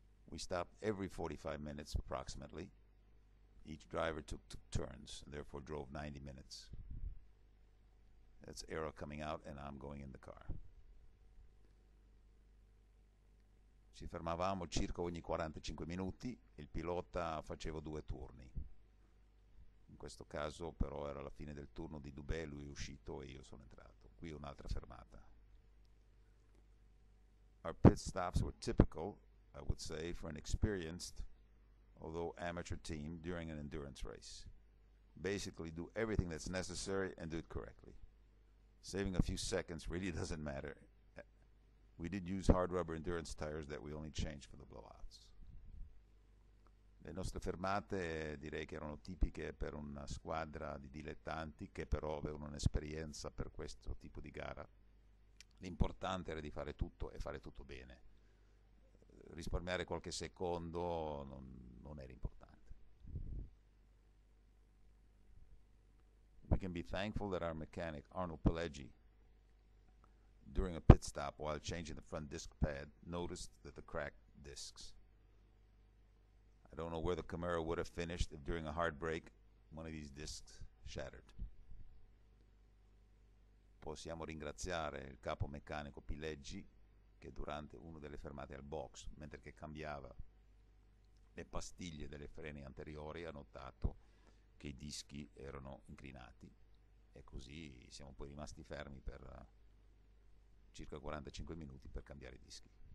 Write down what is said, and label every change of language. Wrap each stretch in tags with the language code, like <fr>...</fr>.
<en>We stopped every 45 minutes, approximately. Each driver took turns, and therefore drove 90 minutes. That's Ara coming out, and I'm going in the car.</en> <it>Ci fermavamo circa ogni 45 minuti, il pilota faceva due turni. In questo caso però era la fine del turno di Dube, lui è uscito e io sono entrato. Qui un'altra fermata.</it> <en>Our pit stops were typical, I would say, for an experienced, although amateur team, during an endurance race. Basically do everything that's necessary and do it correctly. Saving a few seconds really doesn't matter. We did use hard rubber endurance tires that we only changed for the blowouts.</en> <it>Le nostre fermate direi che erano tipiche per una squadra di dilettanti che però avevano un'esperienza per questo tipo di gara. L'importante era di fare tutto e fare tutto bene. Risparmiare qualche secondo non era importante.</it> <en>We can be thankful that our mechanic Arnold Pileggi, during a pit stop while changing the front disc pad, noticed that the cracked discs. I don't know where the Camaro would have finished if during a hard break one of these discs shattered.</en> <it>Possiamo ringraziare il capo meccanico Pileggi che durante una delle fermate al box, mentre che cambiava le pastiglie delle frene anteriori, ha notato che i dischi erano inclinati e così siamo poi rimasti fermi per circa 45 minuti per cambiare i dischi.</it>